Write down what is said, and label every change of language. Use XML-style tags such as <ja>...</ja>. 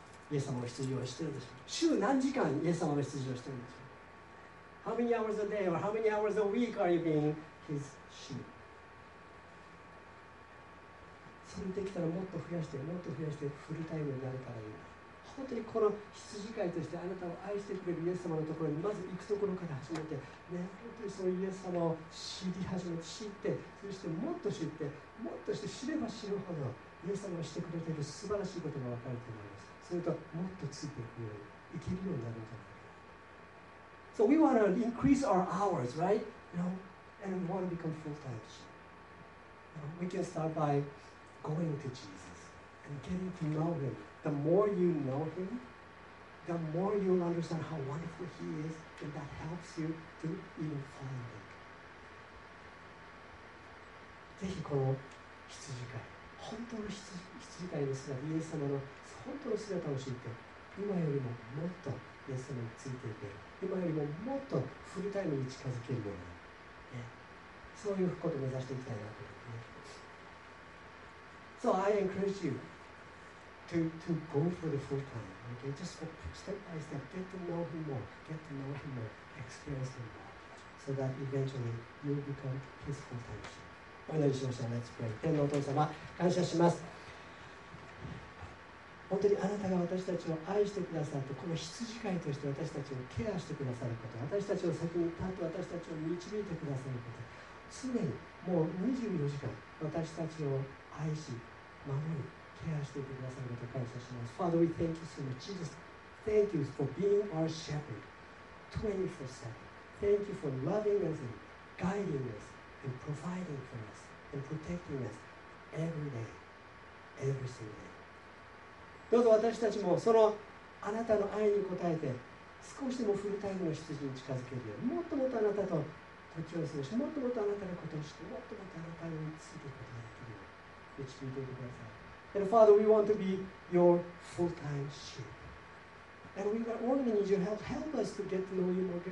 <ja>イエス様の羊をしてるでしょ。週何時間イエス様の羊をしてるでしょ。</ja> <en>How many hours a day or how many hours a week are you being his sheep?</en> <ja>それできたらもっと増やして、もっと増やしてフルタイムになれたらいいな。本当にこの羊飼いとしてあなたを愛してくれるイエス様のところにまず行くところから始めて、ね、本当にそのイエス様を知り始めて、知って、そしてもっと知って、もっとして、知れば知るほどイエス様がしてくれている素晴らしいことが分かると思います。それともっとついていくように、いけるようになるんじゃないか。</ja> <en>So we want to increase our hours, right? You know? And we want to become full-time sheep. You know, we can start by going to Jesus and getting to know Him. The more you know Him, the more you'll understand how wonderful He is, and that helps you to even find Him.</en> <ja>ぜひこの羊飼い、本当の羊飼いですが、イエス様の本当の姿を知って、今よりももっとイエス様についていける、今よりももっとフルタイムに近づけるような、ね、そういうことを目指していきたいなと思って、ね、</ja> <en>So I encourage you to go for the full time. Okay, just go step by step, get to know him more, get to know him more, experience him more, so that eventually you become his full time ship.</en> <ja>お祈りしましょう。</ja> <en>Let's pray.</en> <ja>天のお父様、感謝します。本当にあなたが私たちを愛してくださって、この羊飼いとして私たちをケアしてくださること、私たちを先に立って私たちを導いてくださること、常にもう24時間私たちを愛し、守り、ケアしてくださることを感謝します。</ja> <en>Father, we thank you so much. Jesus, thank you for being our shepherd 24/7. Thank you for loving us and guiding us and providing for us and protecting us every day, every single day.</en> <ja>どうぞ私たちもそのあなたの愛に応えて少しでもフルタイムの羊に近づけるようにもっともっとあなたと時を過ごしもっともっとあなたのことを知ってもっともっとあなたについていくことができるように導いてください。</ja> <en>And Father, we want to be your full-time sheep. And we only need your help. Help us to get to know you more.</en>